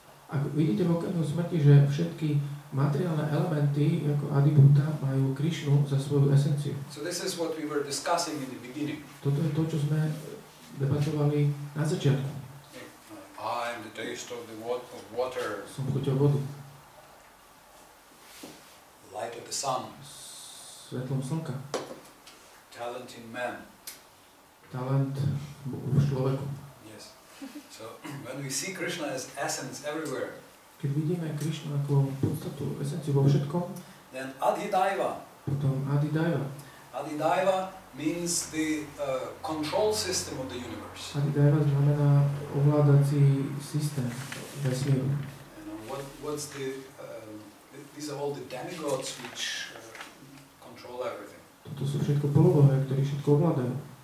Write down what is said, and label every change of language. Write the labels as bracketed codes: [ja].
[sk] Ak vidíte v okamihu smrti, že všetky materiálne elementy ako Adi Bhuta majú Krišnu za svoju esenciu. [en] So this is what we were discussing in the beginning. [sk] Toto je to, čo sme debatovali na začiatku. [en] I am the taste of the water. [sk] Som chuťou vody. [en] Light of the sun. [sk] Svetlom slnka. [en] Talent in man. [sk] Talent v človeku. [en] Yes. So when we see Krishna as essence everywhere. [sk] Keď vidíme Krishnu ako podstatu, esenciu vo všetkom. [en] Then Adhidaiva. [sk] Potom Adhidaiva. [en] Adhidaiva means the control system of the universe. [sk] Adhidaiva znamená ovládací systém vesmíru. [en] What's the these are all the demigods which control everything. [sk] Toto sú všetko polobohé, ktorí všetko ovládajú.